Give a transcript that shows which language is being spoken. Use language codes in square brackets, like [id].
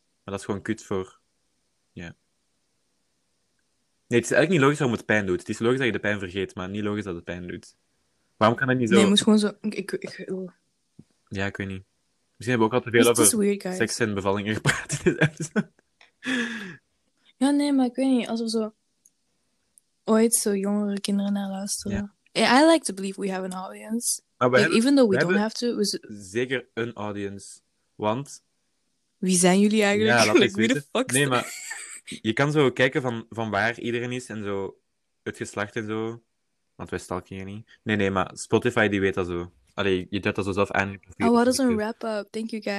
[nl] Maar dat is gewoon kut voor, ja. Nee, het is eigenlijk niet logisch waarom het pijn doet. Het is logisch dat je de pijn vergeet, maar niet logisch dat het pijn doet. Waarom kan dat niet zo? Nee, je moet gewoon zo, ik wil. Ja, ik weet niet. Misschien hebben we ook al te veel over weird, seks en bevallingen gepraat in deze episode. Ja, nee, maar ik weet niet, als we zo... Ooit zo jongere kinderen naar luisteren. [en] Yeah. I like to believe we have an audience. [nl] Maar [en] like, [nl] hebben, [en] even though we [nl] hebben [en] don't have to. We... [nl] Zeker een audience. Want. Wie zijn jullie eigenlijk? Ja, laat like, wie de fuck nee, maar je kan zo kijken van waar iedereen is en zo. Het geslacht en zo. Want wij stalken hier niet. Nee, maar Spotify die weet dat zo. Allee, je doet dat zo zelf aan. [en] Oh, what is een wrap-up? Thank you guys.